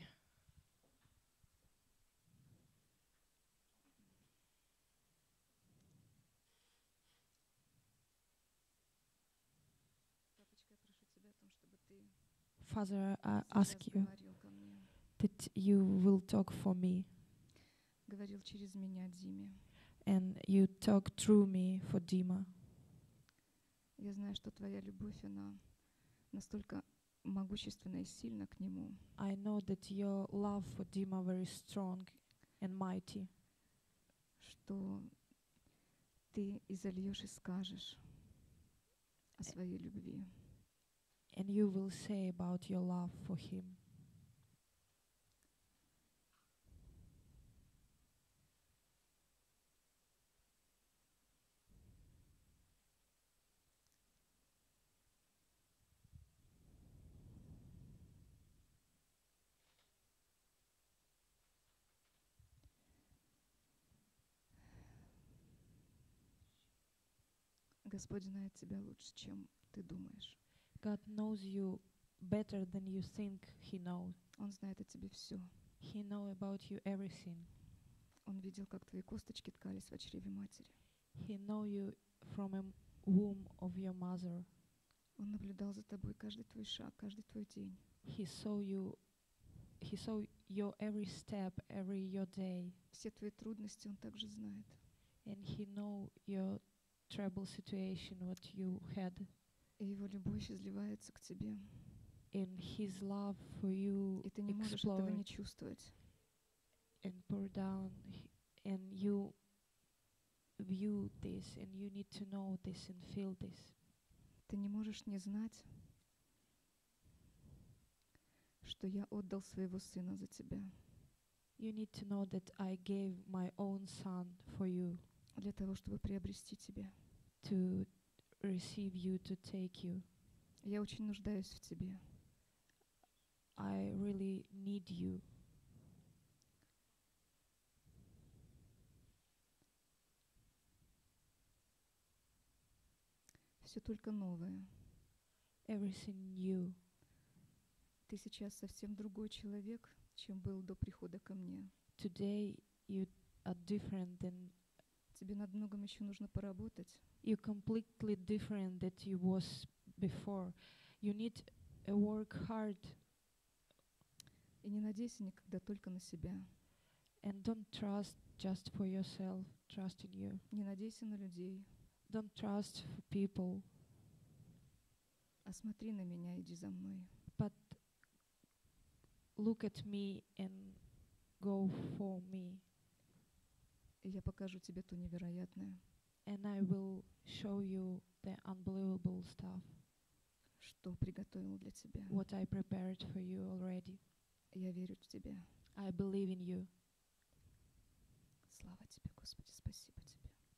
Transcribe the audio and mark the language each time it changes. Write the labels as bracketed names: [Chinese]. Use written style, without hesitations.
[Russian] Папочка, я прошу тебя о том, чтобы ты [English] Father, I ask you that you will talk for me. [Russian] Говорил через меня Диме. [English] And you talk through me for Dima. [Russian] Я знаю, что твоя любовь, она настолько могущественна и сильна к нему. [English] I know that your love for Dima very strong and mighty. [Russian] Что ты изольешь и скажешь о своей любви. [English] And you will say about your love for him. [Russian] Господь знает тебя лучше, чем ты думаешь. [English] God knows you better than you think he knows. [Russian] Он знает о тебе все. [English] He knows about you everything. [Russian] Он видел, как твои косточки ткались в чреве матери. [English] He knows you from a womb of your mother. [Russian] Он наблюдал за тобой каждый твой шаг, каждый твой день. [English] He saw your every step, every your day. [Russian] Все твои трудности он также знает. [English] And he know your troubled situation, what you had. [Russian] И его любовь изливается к тебе. [English] And his love for you explodes. [Russian] И ты не можешь этого не чувствовать. [English] And pour down, and you view this, and you need to know this and feel this. [Russian] Ты не можешь не знать, что я отдал своего сына за тебя. [English] You need to know that I gave my own son for you. [Russian] Для того, чтобы приобрести тебя. [English] To receive you, to take you. [Russian] Я очень нуждаюсь в тебе. [English] I really need you. [Russian] Все только новое. [English] Everything new. [Russian] Ты сейчас совсем другой человек, чем был до прихода ко мне. [English] Today you are different than. [Russian] Тебе над многим еще нужно поработать. [English] You completely different than you was before. You need to work hard. [Russian] И не надейся никогда только на себя. [English] And don't trust just for yourself. Trust in you. [Russian] Не надейся на людей. [English] Don't trust people. [Russian] А смотри на меня, иди за мной. [English] But look at me and go for me. [Russian] И я покажу тебе то невероятное. [English] And I will show you the unbelievable stuff. [Russian] Что приготовил для тебя. [English] What I prepared for you already. [Russian] Я верю в тебя. [English] I believe in you. [Russian] Слава тебе, Господи, спасибо тебе.